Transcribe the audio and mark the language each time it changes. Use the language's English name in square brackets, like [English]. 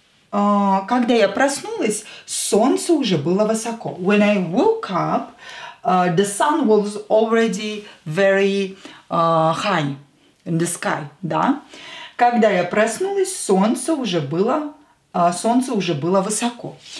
[Russian] Когда я проснулась, солнце уже было высоко. [English] When I woke up, the sun was already very high in the sky, [Russian] да? Когда я проснулась, солнце уже было высоко.